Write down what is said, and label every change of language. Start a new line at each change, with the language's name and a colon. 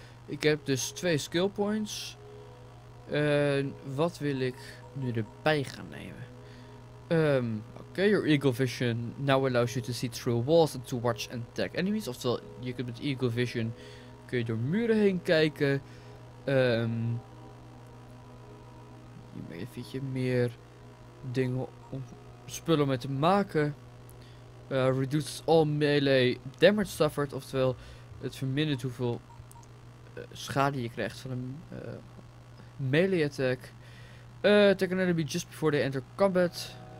Dutch: Ik heb dus twee skill points. Wat wil ik nu erbij gaan nemen?
English: Okay, your eagle vision now allows you to see through walls and to watch and attack enemies.
Dutch: Oftewel, je kunt met eagle vision kun je door muren heen kijken. Hiermee vind je meer dingen om spullen mee te maken.
English: Reduces all melee damage suffered.
Dutch: Oftewel, het vermindert hoeveel schade je krijgt van een melee attack.
English: Attack an enemy just before they enter combat.